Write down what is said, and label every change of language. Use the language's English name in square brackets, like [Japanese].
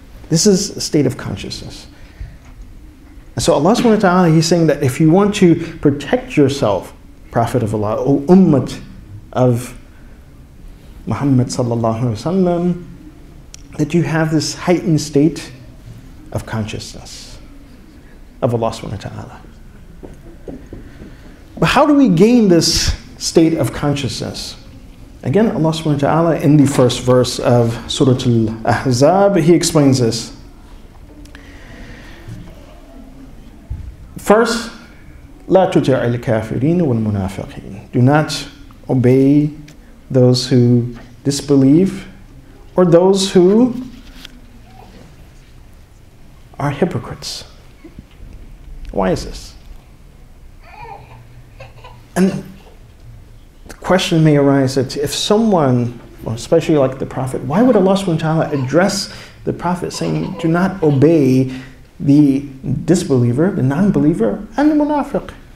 [English] This is a state of consciousness. And so Allah subhanahu wa ta'ala, He's saying that if you want to protect yourself, Prophet of Allah, O Ummat of Muhammad sallallahu alayhi wa sallam, that you have this heightened state of consciousness of Allah subhanahu wa ta'ala. But how do we gain this state of consciousness? Again, Allah subhanahu wa ta'ala, in the first verse of Surah Al-Ahzab, He explains this. [Arabic] First, لَا تُتِعِ الْكَافِرِينَ وَالْمُنَافِقِينَ. [English] Do not obey those who disbelieve or those who are hypocrites. Why is this? And question may arise that if someone, or especially like the Prophet, why would Allah subhanahu wa ta'ala address the Prophet saying, do not obey the disbeliever, the non-believer, and the munafiq?